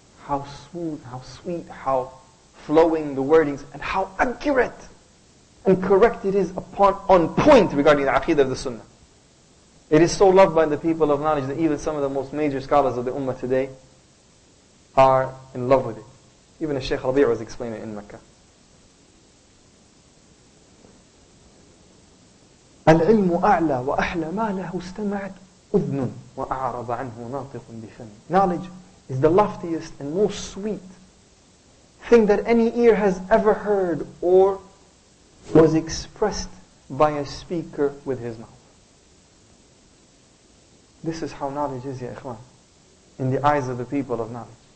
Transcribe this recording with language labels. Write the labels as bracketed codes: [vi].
[en] How smooth, how sweet, how flowing the wordings, and how accurate and correct it is upon on point regarding the Aqidah of the Sunnah. It is so loved by the people of knowledge that even some of the most major scholars of the Ummah today are in love with it. Even Shaykh Rabi' was explaining it in Mecca. [ar] العلم أعلى وأحلى ما له استمعت أذن وأعرض عنه ناطق بفم. [en] Knowledge is the loftiest and most sweet thing that any ear has ever heard or was expressed by a speaker with his mouth. This is how knowledge is, ya ikhwan, in the eyes of the people of knowledge.